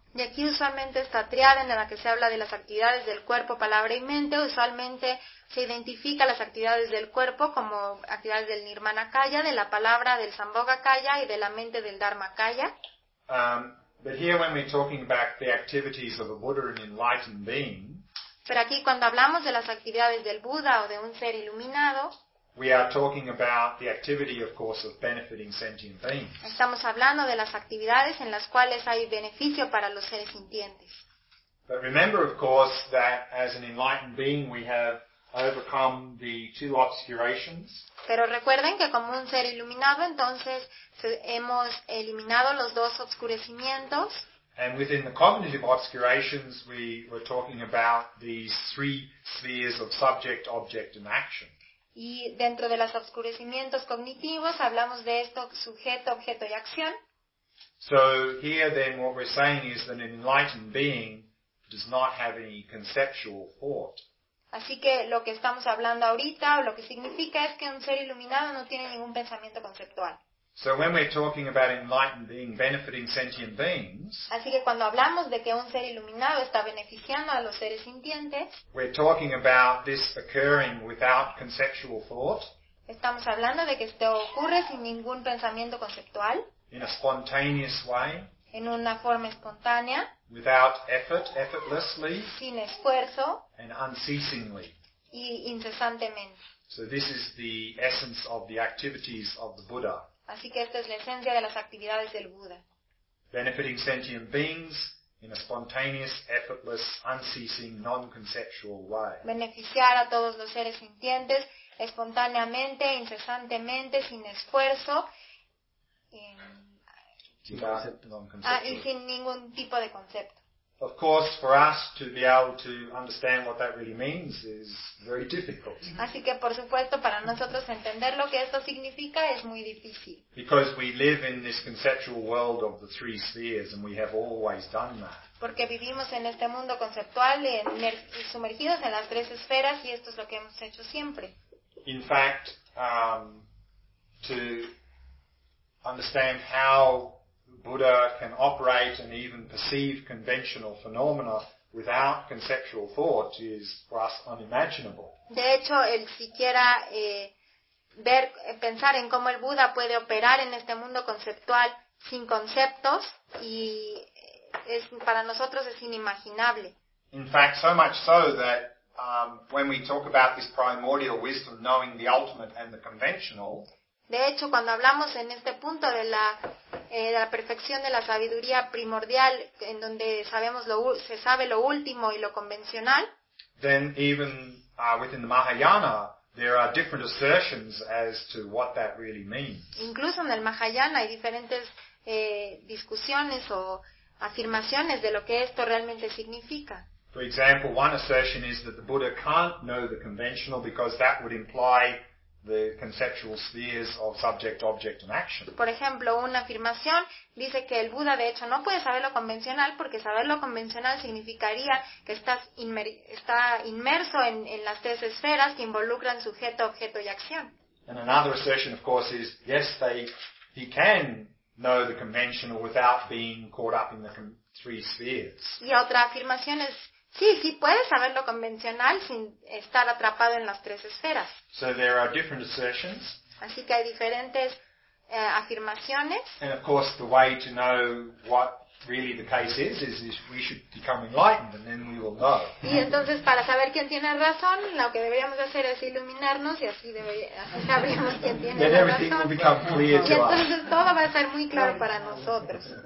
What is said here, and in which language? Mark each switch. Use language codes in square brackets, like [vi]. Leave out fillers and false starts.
[es] Y aquí usualmente esta triada en la que se habla de las actividades del cuerpo, palabra y mente, usualmente se identifica las actividades del cuerpo como actividades del Nirmanakaya, de la palabra, del Sambhogakaya y de la mente del Dharmakaya. [en] But here when we're talking about the activities of a Buddha, an enlightened being, [es] pero aquí cuando hablamos de las actividades del Buda o de un ser iluminado, [en] we are talking about the activity, of course, of benefiting sentient beings. [es] Estamos hablando de las actividades en las cuales hay beneficio para los seres sintientes. [en] But remember, of course, that as an enlightened being, we have overcome the two obscurations. [es] Pero recuerden que como un ser iluminado, entonces hemos eliminado los dos obscurecimientos. [en] And within the cognitive obscurations, we were talking about these three spheres of subject, object, and action. [es] Y dentro de los obscurecimientos cognitivos hablamos de esto, sujeto, objeto y acción. [en] So here then what we're saying is that an enlightened being does not have any conceptual thought. [es] Así que lo que estamos hablando ahorita o lo que significa es que un ser iluminado no tiene ningún pensamiento conceptual. [en] So when we're talking about enlightened being benefiting sentient beings, [es] así que cuando hablamos de que un ser iluminado está beneficiando a los seres sintientes, [en] we're talking about this occurring without conceptual thought. [es] Estamos hablando de que esto ocurre sin ningún pensamiento conceptual. [en] In a spontaneous way. [es] En una forma espontánea. [en] Without effort, effortlessly. [es] Sin esfuerzo. [en] And unceasingly. [es] Y incesantemente. [en] So this is the essence of the activities of the Buddha. [es] Así que esta es la esencia de las actividades del Buda. [en] Benefiting sentient beings in a spontaneous, effortless, unceasing, non-conceptual way. [es] Beneficiar a todos los seres sintientes espontáneamente, incesantemente, sin esfuerzo y sin ningún tipo de concepto. [en] Of course, for us to be able to understand what that really means is very difficult. [es] Así que, por supuesto, para nosotros entender lo que esto significa es muy difícil. [en] Because we live in this conceptual world of the three spheres, and we have always done that. [es] Porque vivimos en este mundo conceptual y sumergidos en las tres esferas, y esto es lo que hemos hecho siempre. [en] In fact, to understand how Buddha can operate and even perceive conventional phenomena without conceptual thought is for us unimaginable. [es] De hecho, el siquiera ver, pensar en cómo el Buda puede operar en este mundo conceptual sin conceptos y es para nosotros es inimaginable. [en] In fact, so much so that when we talk about this primordial wisdom, knowing the ultimate and the conventional. [es] De hecho, cuando hablamos en este punto de la perfección de la sabiduría primordial, en donde sabemos se sabe lo último y lo convencional, [en] then even within the Mahayana, there are different assertions as to what that really means. [es] Incluso en el Mahayana hay diferentes discusiones o afirmaciones de lo que esto realmente significa. [en] For example, one assertion is that the Buddha can't know the conventional because that would imply the conceptual spheres of subject, object and action. [es] Por ejemplo, una afirmación dice que el Buda de hecho no puede saber lo convencional porque saber lo convencional significaría que está inmerso en las tres esferas que involucran sujeto, objeto y acción. [en] And another assertion, of course, is yes, he can know the conventional without being caught up in the three spheres. [es] Y otra afirmación es sí, sí puede saber lo convencional sin estar atrapado en las tres esferas. [en] So there are different assertions. [es] Así que hay diferentes afirmaciones. [en] And of course, the way to know what really the case is we should become enlightened and then we will know. [es] Y entonces para saber quién tiene razón, lo que deberíamos hacer es iluminarnos y así sabríamos quién tiene [en] then [es] la [en] everything [es] razón. [en] Will become clear [es] y [en] to [es] entonces [en] us. [es] Todo va a ser muy claro para nosotros.